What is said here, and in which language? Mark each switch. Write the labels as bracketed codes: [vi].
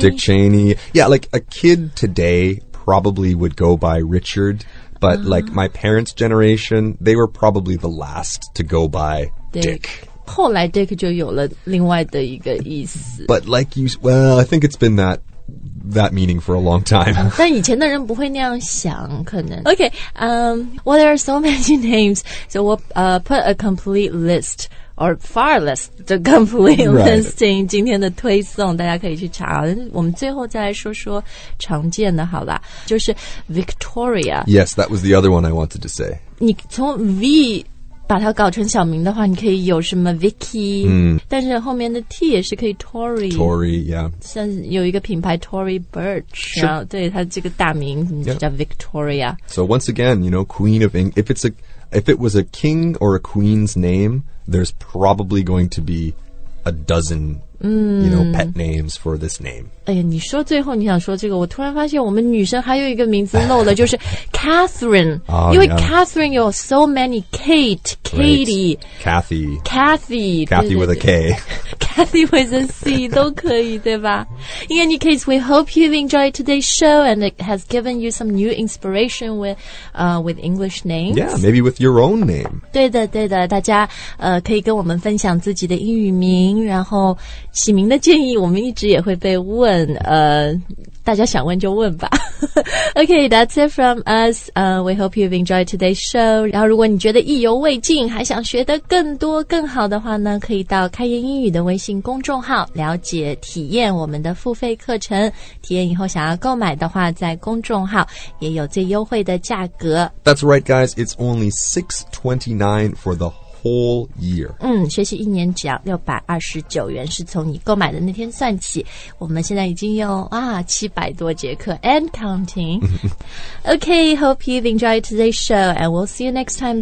[en] Dick Cheney. Yeah, like a kid today probably would go by Richard, But like my parents' generation, they were probably the last to go by Dick. [zh] 后来 Dick 就有了另外的一个意思。 [en] But like you, well, I think it's been that meaning for a long time. [zh] 但以前的人不会那样想可能。 [en] Okay, well, there are so many names, so we'll put a complete list. Or far less the complete listing. [zh] 今天的推送大家可以去查。我们最后再来说说常见的好了。就是 Victoria. [en] Yes, that was the other one I wanted to say. [zh] 你从 V 把它搞成小名的话你可以有什么 Vicky,、但是后面的 T 也是可以 Tory. [en] Tory, yeah. [zh] 像有一个品牌 Tory Burch,、 [en] sure. [zh] 然后对它这个大名叫 Victoria.、 [en] Yep. So once again, you know, Queen of England, if it was a king or a queen's name,there's probably going to be a dozen, you know, pet names for this name. [zh] 哎呀，你说最后你想说这个，我突然发现我们女生还有一个名字漏了，就是 Catherine. Oh, 因为、 [en] yeah. Catherine 有 so many Kate, Katie. Right. Kathy. Kathy. Kathy with a K. Kathy with a C, [zh] 都可以，对吧？ [en] In any case, we hope you've enjoyed today's show and it has given you some new inspiration with English names. Yeah, maybe with your own name. [zh] 对的，对的，大家可以跟我们分享自己的英语名，然后起名的建议我们一直也会被问，大家想问就问吧。 [en] Okay, that's it from us. We hope you've enjoyed today's show. [zh] 然后如果你觉得意犹未尽，还想学得更多更好的话呢，可以到开言英语的微信公众号了解体验我们的付费课程。体验以后想要购买的话，在公众号也有最优惠的价格。 [en] That's right, guys. It's only $6.29 for the whole year. [zh] 学习一年只要629元，是从你购买的那天算起。我们现在已经有700多节课 [en] and counting. Okay, hope you've enjoyed today's show and we'll see you next time.